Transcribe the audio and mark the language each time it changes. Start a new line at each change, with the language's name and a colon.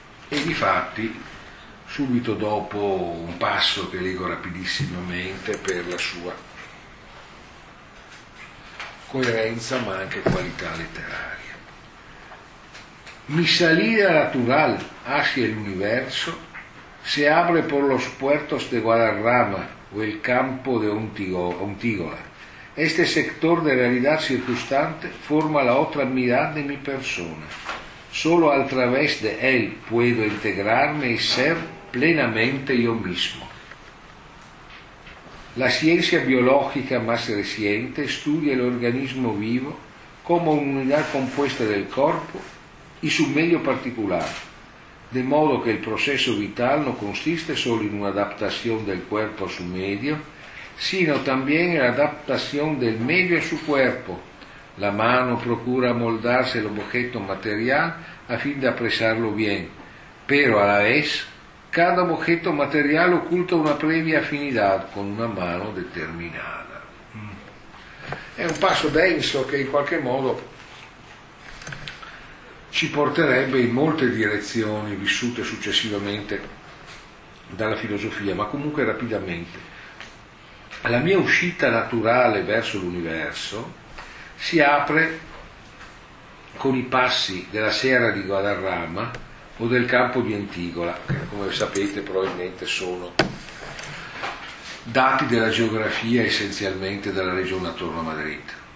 Italian: E difatti, subito dopo un passo che leggo rapidissimamente per la sua coerenza ma anche qualità letteraria.
Spanish: Mi salida natural hacia el universo se abre por los puertos de Guadarrama o el campo de Ontígola. Este sector de realidad circunstante forma la otra mitad de mi persona. Solo a través de él puedo integrarme y ser plenamente yo mismo. La ciencia biológica más reciente estudia el organismo vivo como una unidad compuesta del cuerpo y su medio particular, de modo que el proceso vital no consiste solo en una adaptación del cuerpo a su medio, sino también en la adaptación del medio a su cuerpo. La mano procura moldarse el objeto material a fin de apresarlo bien, pero a la vez cada objeto material oculta una previa affinità con una mano determinata.
Italian: È un passo denso che in qualche modo ci porterebbe in molte direzioni vissute successivamente dalla filosofia, ma comunque rapidamente. La mia uscita naturale verso l'universo si apre con i passi della Sierra di Guadarrama o del campo di Ontígola, che come sapete probabilmente sono dati della geografia essenzialmente della regione attorno a Madrid.